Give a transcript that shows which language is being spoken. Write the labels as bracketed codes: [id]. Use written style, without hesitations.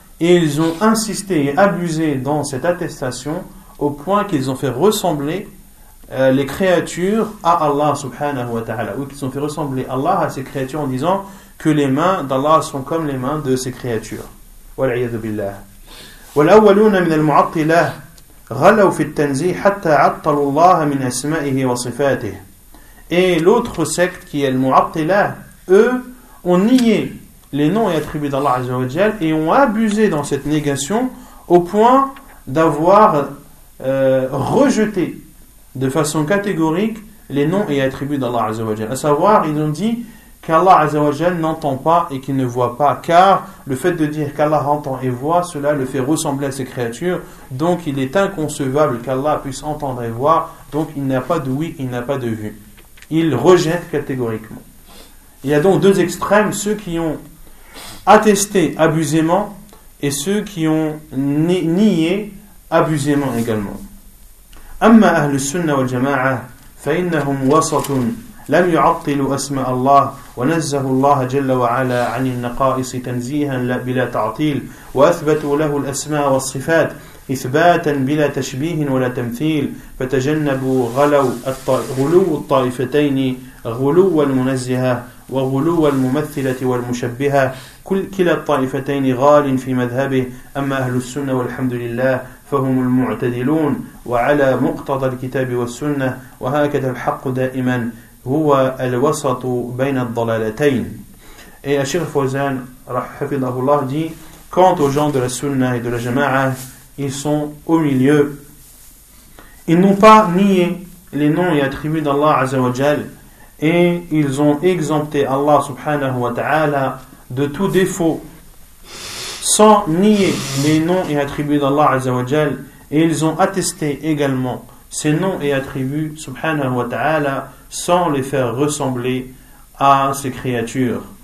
[fr] Et ils ont insisté et abusé dans cette attestation au point qu'ils ont fait ressembler les créatures à Allah subhanahu wa ta'ala. Ou qu'ils ont fait ressembler Allah à ses créatures en disant que les mains d'Allah sont comme les mains de ses créatures. [ar] Wal'iyadu billah. Wal'awwaluna min al-mu'attilah غلوا في التنزيه حتى عطلوا الله من أسمائه وصفاته. [fr] Et l'autre secte qui est le Mu'attila, eux ont nié les noms et attributs d'Allah Azza wa Jal et ont abusé dans cette négation au point d'avoir rejeté de façon catégorique les noms et attributs d'Allah Azza wa Jal. À savoir, ils ont dit qu'Allah Azza wa Jal n'entend pas et qu'il ne voit pas, car le fait de dire qu'Allah entend et voit, cela le fait ressembler à ses créatures, donc il est inconcevable qu'Allah puisse entendre et voir, donc il n'a pas de oui, il n'a pas de vue. Il rejette catégoriquement. Il y a donc deux extrêmes, ceux qui ont attesté abusément et ceux qui ont nié abusément également. [ar] Amma ahlus sunnah wal jama'ah fa innahum wasatun لم يعطلوا أسماء الله ونزهوا الله جل وعلا عن النقائص تنزيها بلا تعطيل وأثبتوا له الأسماء والصفات إثباتا بلا تشبيه ولا تمثيل فتجنبوا غلو الطائفتين غلو المنزهة وغلو الممثلة والمشبهة كلا الطائفتين غال في مذهبه أما أهل السنة والحمد لله فهم المعتدلون وعلى مقتضى الكتاب والسنة وهكذا الحق دائما هو الوسط بين الضلالتين. [fr] Et Cheikh Fawzan, hafidhahullah, dit, quant aux gens de la sunna et de la jama'a, ils sont au milieu. Ils n'ont pas nié les noms et attributs d'Allah Azza wa Jal, et ils ont exempté Allah subhanahu wa ta'ala de tout défaut, sans nier les noms et attributs d'Allah Azza wa Jal, et ils ont attesté également ces noms et attributs subhanahu wa ta'ala sans les faire ressembler à ces créatures.